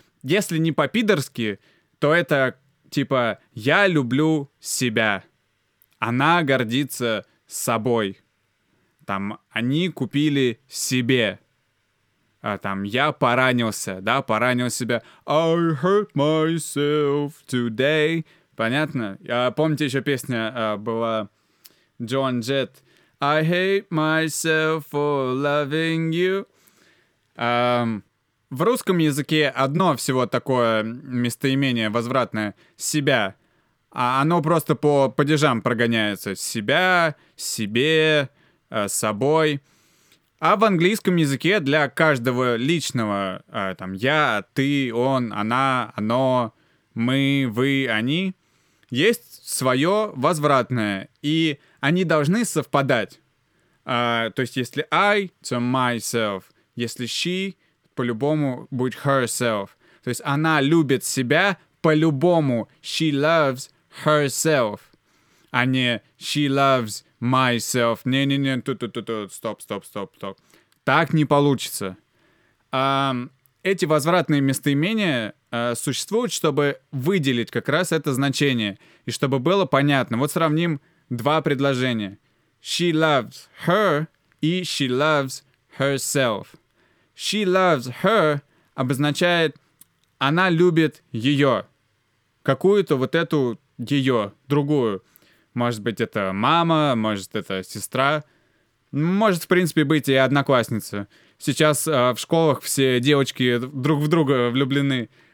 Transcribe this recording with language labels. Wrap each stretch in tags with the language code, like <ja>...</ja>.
<ru>Если не по-пидорски, то это типа «я люблю себя», «она гордится собой», там «они купили себе», а там «я поранился», да, поранил себя,</ru> <en>«I hurt myself today»,</en> <ru>понятно? Помните, еще песня была Joan Jett,</ru> <en>I hate myself for loving you.</en> <ru>В русском языке одно всего такое местоимение возвратное — себя. А оно просто по падежам прогоняется. Себя, себе, собой. А в английском языке для каждого личного, там, я, ты, он, она, оно, мы, вы, они, есть свое возвратное. И они должны совпадать. То есть, если I, то myself. Если she, по-любому будет herself. То есть, она любит себя по-любому.</ru> <en>She loves herself.</en> <ru>А не</ru> <en>she loves myself.</en> <ru>Не-не-не, стоп. Так не получится. Эти возвратные местоимения существуют, чтобы выделить как раз это значение. И чтобы было понятно. Вот сравним два предложения.</ru> <en>She loves her и she loves herself. She loves her</en> <ru>обозначает «она любит ее». Какую-то вот эту ее, другую. Может быть, это мама, может, это сестра. Может, в принципе, быть и одноклассница. Сейчас в школах все девочки друг в друга влюблены.</ru>